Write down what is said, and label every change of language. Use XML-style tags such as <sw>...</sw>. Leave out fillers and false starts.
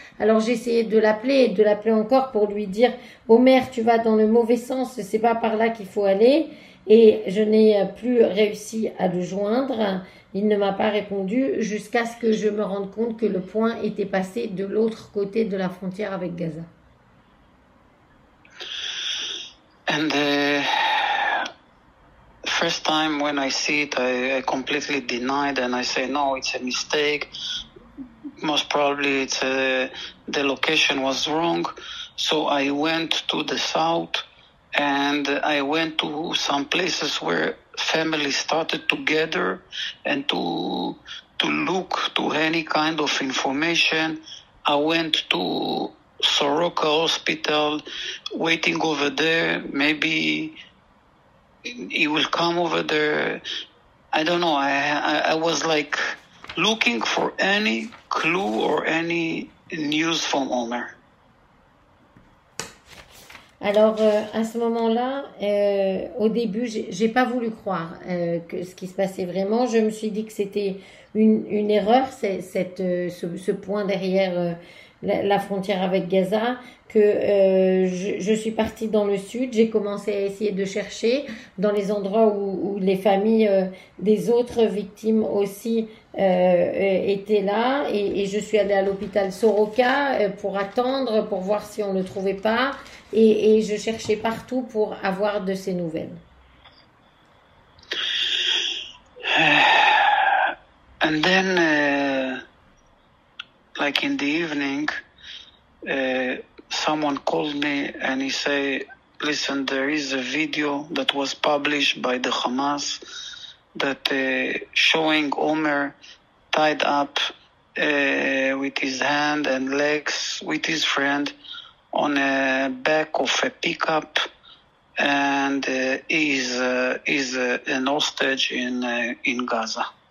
<fr>Alors j'essayais de l'appeler et de l'appeler encore pour lui dire, Omer, tu vas dans le mauvais sens, c'est pas par là qu'il faut aller. Et je n'ai plus réussi à le joindre. Il ne m'a pas répondu jusqu'à ce que je me rende compte que le point était passé de l'autre côté de la frontière avec Gaza.</fr> <en>And first time when I see it, I completely denied and I say, no, it's a mistake. Most probably it's the location was wrong. So I went to the south and I went to some places where families started to gather and to look to any kind of information. I went to Soroka Hospital, waiting over there. Maybe he will come over there. I don't know. I was like looking for any clue or any news from Omer.</en> <fr>Alors, à ce moment-là, au début, j'ai pas voulu croire que ce qui se passait vraiment. Je me suis dit que c'était une erreur, ce point derrière la frontière avec Gaza, que je suis partie dans le sud. J'ai commencé à essayer de chercher dans les endroits où les familles des autres victimes aussi étaient là. Et je suis allée à l'hôpital Soroka pour attendre, pour voir si on ne le trouvait pas. Et je cherchais partout pour avoir de ces nouvelles.</fr> <en>And then, like in the evening, someone called me and he say, "Listen, there is a video that was published by the Hamas that showing Omer tied up with his hand and legs with his friend on a back of a pickup, and he's an hostage in Gaza."</en>